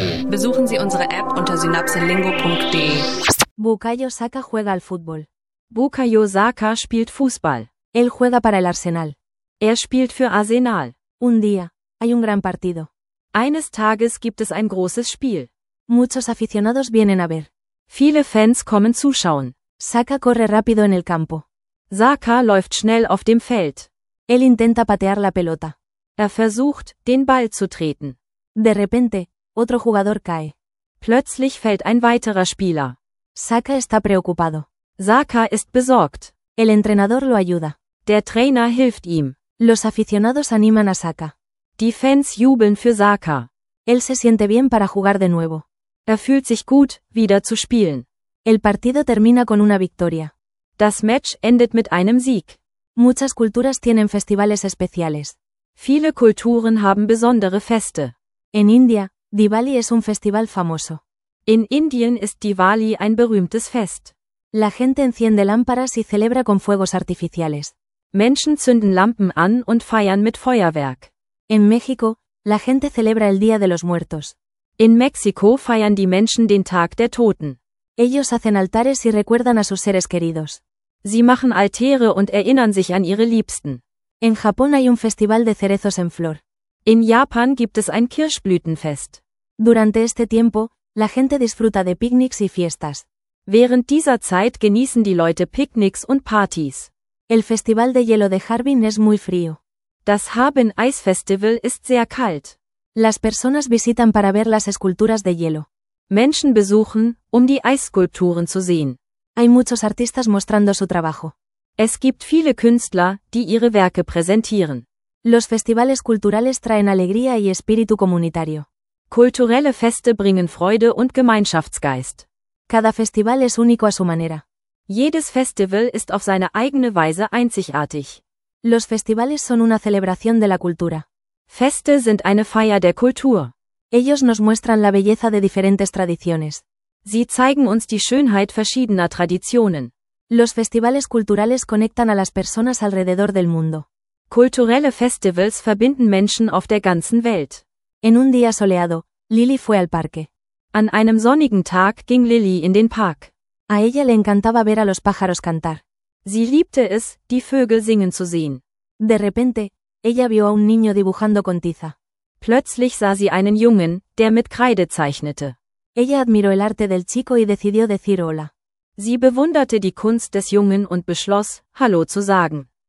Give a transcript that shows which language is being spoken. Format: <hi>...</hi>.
<de>Besuchen Sie unsere App unter synapselingo.de.</de> <es>Bukayo Saka juega al fútbol.</es> <de>Bukayo Saka spielt Fußball.</de> <es>Él juega para el Arsenal.</es> <de>Spielt für Arsenal.</de> <es>Un día, hay un gran partido.</es> <de>Eines Tages gibt es ein großes Spiel.</de> <es>Muchos aficionados vienen a ver.</es> <de>Viele Fans kommen zuschauen.</de> <es>Saka corre rápido en el campo.</es> <de>Saka läuft schnell auf dem Feld.</de> <es>Él intenta patear la pelota.</es> <de>Versucht, den Ball zu treten.</de> <es>De repente, otro jugador cae.</es> <de>Plötzlich fällt ein weiterer Spieler.</de> <es>Saka está preocupado.</es> <de>Saka ist besorgt.</de> <es>El entrenador lo ayuda.</es> <de>Der Trainer hilft ihm.</de> <es>Los aficionados animan a Saka.</es> <de>Die Fans jubeln für Saka.</de> <es>Él se siente bien para jugar de nuevo.</es> <de>Fühlt sich gut, wieder zu spielen.</de> <es>El partido termina con una victoria.</es> <de>Das Match endet mit einem Sieg.</de> <es>Muchas culturas tienen festivales especiales.</es> <de>Viele Kulturen haben besondere Feste.</de> <es>En India, Diwali es un festival famoso.</es> <de>In Indien ist Diwali ein berühmtes Fest.</de> <es>La gente enciende lámparas y celebra con fuegos artificiales.</es> <de>Menschen zünden Lampen an und feiern mit Feuerwerk.</de> <es>En México, la gente celebra el Día de los Muertos.</es> <de>In Mexiko feiern die Menschen den Tag der Toten.</de> <es>Ellos hacen altares y recuerdan a sus seres queridos.</es> <de>Sie machen Altäre und erinnern sich an ihre Liebsten.</de> <es>En Japón hay un festival de cerezos en flor.</es> <de>In Japan gibt es ein Kirschblütenfest.</de> <es>Durante este tiempo, la gente disfruta de picnics y fiestas.</es> <de>Während dieser Zeit genießen die Leute Picknicks und Partys.</de> <es>El Festival de Hielo de Harbin es muy frío.</es> <de>Das Harbin Ice Festival ist sehr kalt.</de> <es>Las personas visitan para ver las esculturas de hielo.</es> <de>Menschen besuchen, um die Eisskulpturen zu sehen.</de> <es>Hay muchos artistas mostrando su trabajo.</es> <de>Es gibt viele Künstler, die ihre Werke präsentieren.</de> <es>Los festivales culturales traen alegría y espíritu comunitario.</es> <de>Kulturelle Feste bringen Freude und Gemeinschaftsgeist.</de> <es>Cada festival es único a su manera.</es> <de>Jedes Festival ist auf seine eigene Weise einzigartig.</de> <es>Los festivales son una celebración de la cultura.</es> <de>Feste sind eine Feier der Kultur.</de> <es>Ellos nos muestran la belleza de diferentes tradiciones.</es> <de>Sie zeigen uns die Schönheit verschiedener Traditionen.</de> <es>Los festivales culturales conectan a las personas alrededor del mundo.</es> <de>Kulturelle Festivals verbinden Menschen auf der ganzen Welt.</de> <es>En un día soleado, Lily fue al parque.</es> <de>An einem sonnigen Tag ging Lily in den Park.</de> <es>A ella le encantaba ver a los pájaros cantar.</es> <de>Sie liebte es, die Vögel singen zu sehen.</de> <es>De repente, ella vio a un niño dibujando con tiza.</es> <de>Plötzlich sah sie einen Jungen, der mit Kreide zeichnete.</de> <es>Ella admiró el arte del chico y decidió decir hola.</es> <de>Sie bewunderte die Kunst des Jungen und beschloss, Hallo zu sagen.</de>